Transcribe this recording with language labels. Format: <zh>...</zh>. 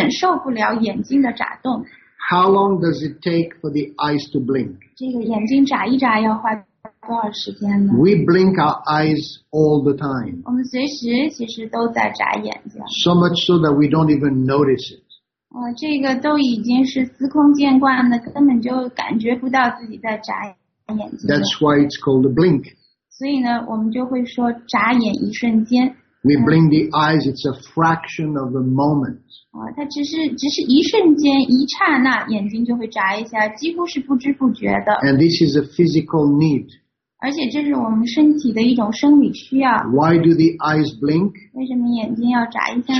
<zh>这个听上去是真是到了极致了，都很极端了，就是你都这个忍受不了眼睛的眨动。</zh> <en>How long does it take for the eyes to blink?</en> <zh>这个眼睛眨一眨要花多少时间呢?</zh> <en>We blink our eyes all the time.</en> <zh>我们随时其实都在眨眼睛。</zh> <en>So much so that we don't even notice it.</en> <zh>这个都已经是司空见惯的，根本就感觉不到自己在眨眼睛。</zh> <en>That's why it's called a blink.</en> <zh>所以呢，我们就会说眨眼一瞬间。</zh> <en>We blink the eyes, it's a fraction of a moment.</en> <zh>它只是一瞬间，一刹那，眼睛就会眨一下，几乎是不知不觉的。</zh> <en>And this is a physical need.</en> <zh>而且这是我们身体的一种生理需要。</zh> <en>Why do the eyes blink?</en> <zh>为什么眼睛要眨一下呢?</zh>